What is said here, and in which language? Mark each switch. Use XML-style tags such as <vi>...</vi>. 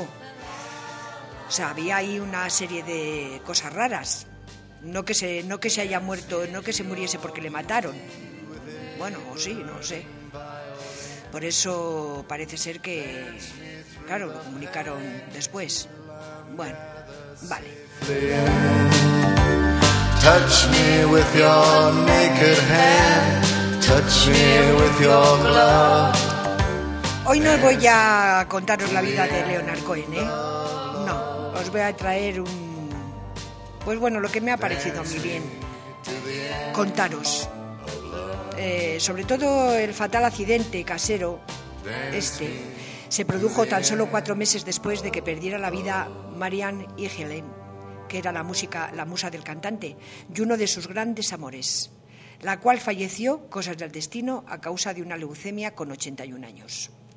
<es>O sea, había ahí una serie de cosas raras. No que se haya muerto, no que se muriese porque le mataron. Bueno, o sí, no sé. Por eso parece ser que, claro, lo comunicaron después. Bueno, vale.</es> <en>Touch me with your naked hand. Touch me with your glove.</en> <es>Hoy no voy a contaros la vida de Leonard Cohen, ¿eh? No, os voy a traer un... Pues bueno, lo que me ha parecido a mí bien contaros. Sobre todo el fatal accidente casero, este, se produjo tan solo 4 meses después de que perdiera la vida Marianne Iheanacho, que era la música, la musa del cantante, y uno de sus grandes amores, la cual falleció, cosas del destino, a causa de una leucemia con 81 años.</es>